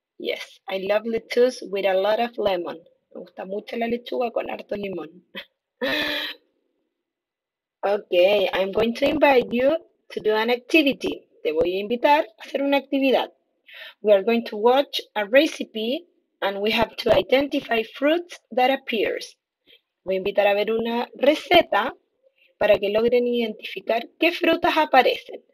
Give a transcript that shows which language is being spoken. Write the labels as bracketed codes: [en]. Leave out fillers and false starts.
[en] Yes, I love lettuce with a lot of lemon. [es] Me gusta mucho la lechuga con harto limón. [en] Okay, I'm going to invite you to do an activity. [es] Te voy a invitar a hacer una actividad. [en] We are going to watch a recipe and we have to identify fruits that appears. [es] Voy a invitar a ver una receta para que logren identificar qué frutas aparecen.